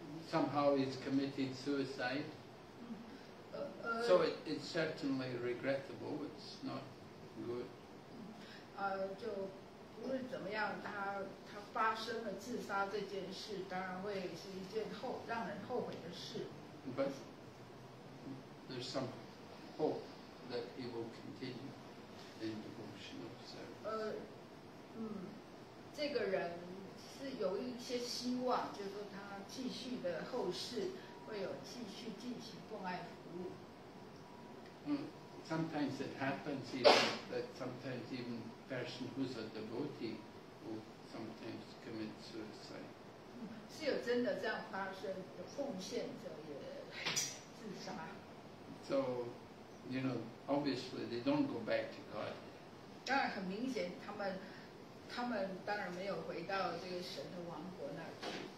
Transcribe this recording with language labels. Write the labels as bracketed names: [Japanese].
[English] Somehow he's committed suicide. So it's certainly regrettable. It's not good. [Chinese] 就不论怎么样，他发生了自杀这件事，当然会是一件让人后悔的事。 [English] But there's some hope that he will continue in devotional service. [Chinese] 这个人是有一些希望，就是说他继续的后世会有继续进行关爱服务。 [English] Sometimes it happens even that sometimes even a person who's a devotee will sometimes commit suicide. [Chinese] 是有真的这样发生，有奉献者也自杀。 [English] So, you know, obviously they don't go back to God. [Chinese] 当然很明显，他们当然没有回到这个神的王国那里。